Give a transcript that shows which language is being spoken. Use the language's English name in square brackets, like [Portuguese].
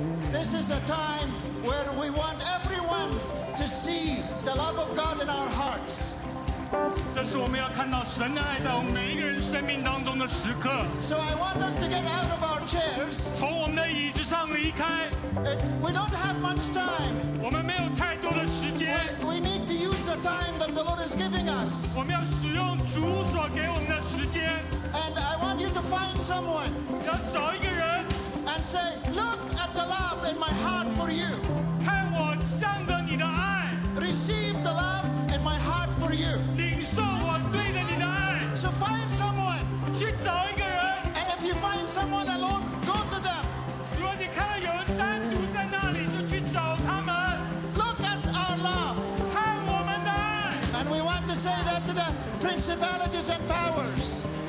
[English] This is a time where we want everyone to see the love of God in our hearts. [Chinese] 这是我们要看到神的爱在我们每一个人生命当中的时刻。 [English] So I want us to get out of our chairs. [Chinese] 从我们的椅子上离开。 [English] We don't have much time. [Chinese] 我们没有太多的时间。 [English] We need to use the time that the Lord is giving us. [Chinese] 我们要使用主所给我们的时间。 [English] And I want you to find someone. [Chinese] 要找一个人。 [English] And say, look at the love in my heart for you. [Chinese] 看我向着你的爱。 [English] Receive the love in my heart for you. [Chinese] 领受我对着你的爱。 [English] So find someone. [Chinese] 去找一个人。 [English] And if you find someone alone, go to them. [Chinese] 如果你看到有人单独在那里，就去找他们。 [English] Look at our love. [Chinese] 看我们的爱。 [English] And we want to say that to the principalities and powers.